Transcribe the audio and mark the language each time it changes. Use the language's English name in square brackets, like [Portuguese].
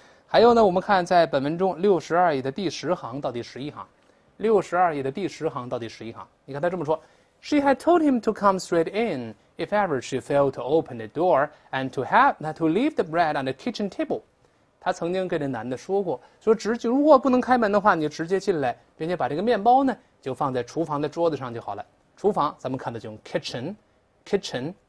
[Chinese] 还有呢，我们看在本文中62页的第十行到第十一行。 62页的第十行到第十一行，你看他这么说 ： [English] She had told him to come straight in if ever she failed to open the door and to leave the bread on the kitchen table。 [Chinese] 他曾经跟这男的说过，说直接如果不能开门的话，你就直接进来，并且把这个面包呢就放在厨房的桌子上就好了。厨房咱们看的就用 kitchen，